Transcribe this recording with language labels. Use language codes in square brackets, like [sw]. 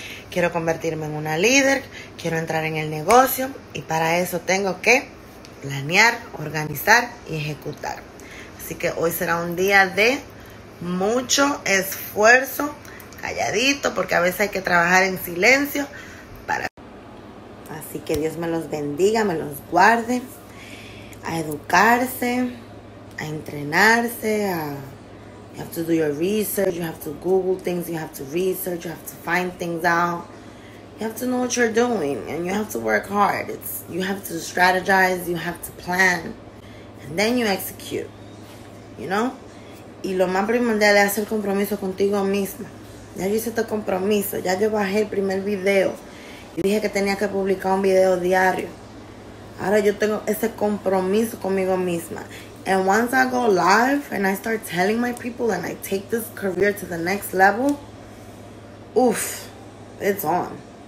[es] Quiero convertirme en una líder. Quiero entrar en el negocio. Y para eso tengo que planear, organizar y ejecutar. Así que hoy será un día de mucho esfuerzo. Calladito, porque a veces hay que trabajar en silencio. Así que Dios me los bendiga, me los guarde a educarse, a entrenarse, a [en] you have to do your research, you have to Google things, you have to research, you have to find things out. You have to know what you're doing and you have to work hard. You have to strategize, you have to plan, and then you execute, you know? [es] Y lo más primordial es hacer compromiso contigo misma. Ya yo hice este compromiso, ya yo bajé el primer video. Y dije que tenía que publicar un video diario. Ahora yo tengo ese compromiso conmigo misma. [en] And once I go live and I start telling my people and I take this career to the next level, oof, it's on.